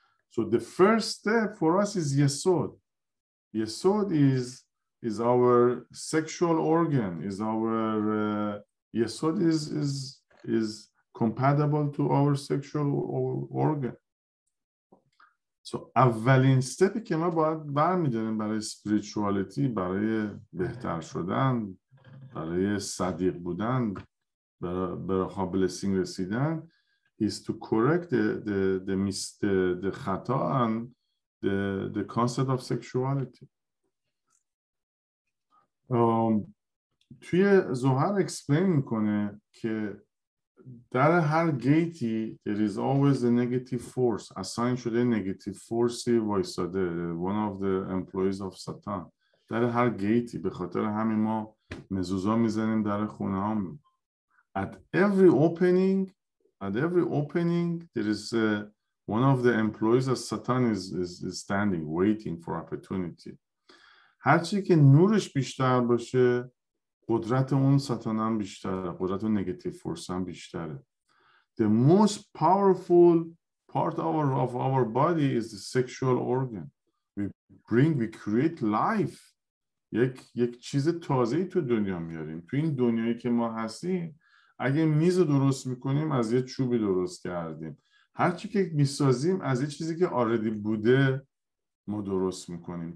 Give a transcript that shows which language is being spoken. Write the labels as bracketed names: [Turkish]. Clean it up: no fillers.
[English] So the first step for us is yesod. Yesod is our sexual organ. Is our yesod is compatible to our sexual organ. [Persian] So, اولین استپی که ما باید برمی‌داریم برای اسپریچوالیتی، برای بهتر شدن، برای صدیق بودن، برای بلسینگ رسیدن، [English] is to correct the [Persian] خطا [English] and the concept of sexuality. [Persian] توی زهر اکسپلین می‌کنه که در هر گیتی [English] there is always a negative force assigned شده، negative force وایساده، one of the employees of Satan. [Persian] در هر گیتی، به خاطر همین ما مزوزا میزنیم در خونه هم. [English] At every opening there is one of the employees of Satan is standing waiting for opportunity. [Persian] هرچی که نورش بیشتر باشه، قدرت اون ساتان هم بیشتره، قدرت اون نگتیف فورس هم بیشتره. [English] The most powerful part of our body is the sexual organ. We create life. [Persian] یک چیز تازهی تو دنیا میاریم. تو این دنیایی که ما هستیم، اگه میز درست میکنیم، از یه چوبی درست کردیم. هرچی که میسازیم، از یه چیزی که آردی بوده، ما درست میکنیم.